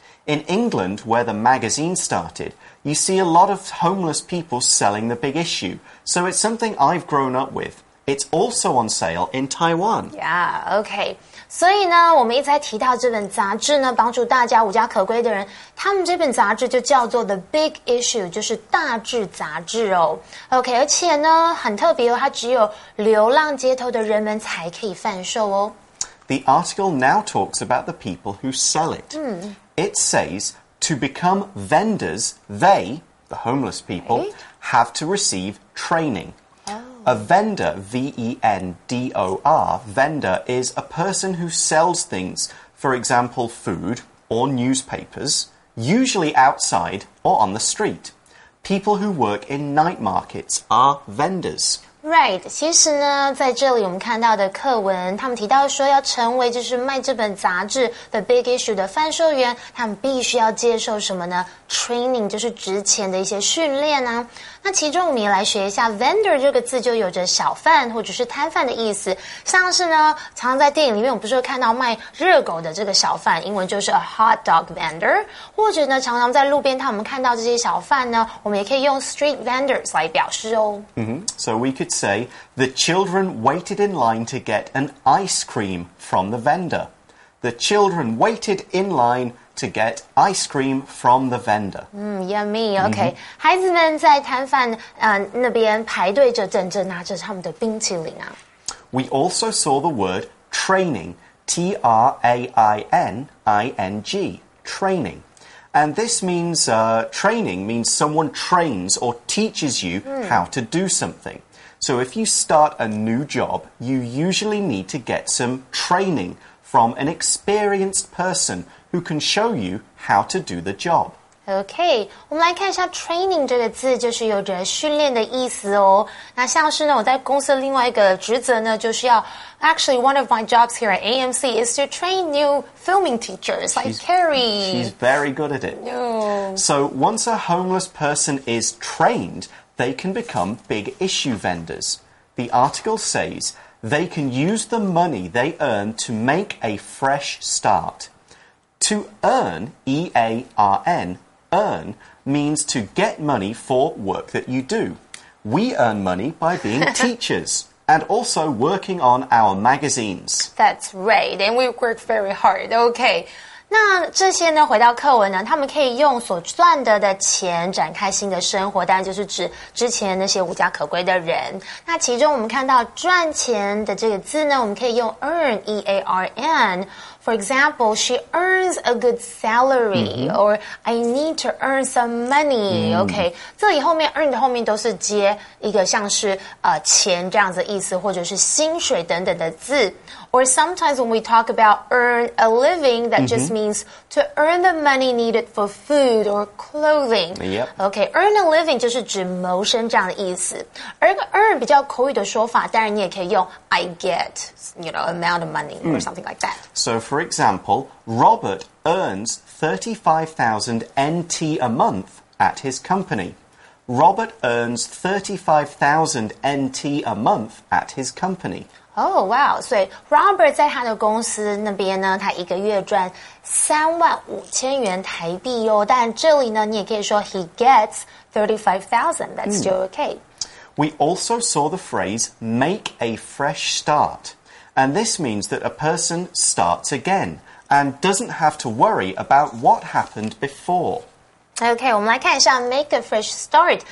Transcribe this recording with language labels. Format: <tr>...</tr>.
<en>In England, where the magazine started, you see a lot of homeless people selling The Big Issue. So it's something I've grown up with. It's also on sale in Taiwan. Yeah, okay.</en> <zh>所以呢我们一直在提到这本杂志呢帮助大家无家可归的人。他们这本杂志就叫做 The Big Issue, 就是大志杂志哦。 Okay, 而且呢很特别哦它只有流浪街头的人们才可以贩售哦。</zh> <en>The article now talks about the people who sell it.、 Mm. It says, to become vendors, they, the homeless people,、 right? have to receive training. A vendor, V-E-N-D-O-R, vendor is a person who sells things, for example, food or newspapers, usually outside or on the street. People who work in night markets are vendors.</en> <zh>Right, 其实呢在这里我们看到的课文他们提到说要成为就是卖这本杂志 The Big Issue 的贩售员他们必须要接受什么呢 Training 就是之前的一些训练啊那其中我们也来学一下 Vendor 这个字就有着小贩或者是摊贩的意思像是呢常在电影里面我们不是会看到卖热狗的这个小贩英文就是</zh> <en>A Hot Dog Vendor</en> <zh>或者呢常常在路边他们看到这些小贩呢我们也可以用 Street Vendors 来表示哦、</zh> <en>mm-hmm. So we couldSay the children waited in line to get an ice cream from the vendor. The children waited in line to get ice cream from the vendor. Yummy. Okay.、Mm-hmm.</en> <zh>孩子们在摊贩那边排队着等着拿着他们的冰淇淋啊。</zh> <en>We also saw the word training, T-R-A-I-N-I-N-G, training. And this means, training means someone trains or teaches you、mm. how to do something. So if you start a new job, you usually need to get some training from an experienced person who can show you how to do the job.</en> <zh>Okay, 我们来看一下 training 这个字就是有着训练的意思哦。那像是呢我在公司另外一个职责呢就是要</zh> <en>Actually, one of my jobs here at AMC is to train new filming teachers like Carrie. She's very good at it. No. So once a homeless person is trained, they can become big issue vendors. The article says they can use the money they earn to make a fresh start. To earn, E-A-R-N,Earn means to get money for work that you do. We earn money by being teachers and also working on our magazines. That's right, and we work very hard. Okay,</en> <zh>那这些呢，回到课文呢，他们可以用所赚得的钱展开新的生活，当然就是指之前那些无家可归的人。那其中我们看到赚钱的这个字呢，我们可以用 earn, E-A-R-N。</zh> <en>For example, she earns a good salary,、mm-hmm. or I need to earn some money,、mm-hmm. okay.</en> <zh>这里后面 earn 的后面都是接一个像是、钱这样子的意思，或者是薪水等等的字。</zh> <en>Or sometimes when we talk about earn a living, that、mm-hmm. just means to earn the money needed for food or clothing. Yep.</en> <zh>Okay, earn a living 就是指谋生这样的意思。而</zh> <en>earn</en> <zh>比较口语的说法，当然你也可以用</zh> <en>I get, you know, amount of money、mm. or something like that. So for example, Robert earns 35,000 NT a month at his company. Robert earns 35,000 NT a month at his company. Oh, wow.</en> <zh>So Robert 在他的公司那边呢，他一个月赚35,000元台币哦。但这里呢，你也可以说</zh> <en>he gets 35,000. That's still okay. We also saw the phrase make a fresh start. And this means that a person starts again and doesn't have to worry about what happened before.</en> <zh>OK, 我们来看一下 make a fresh start.</zh>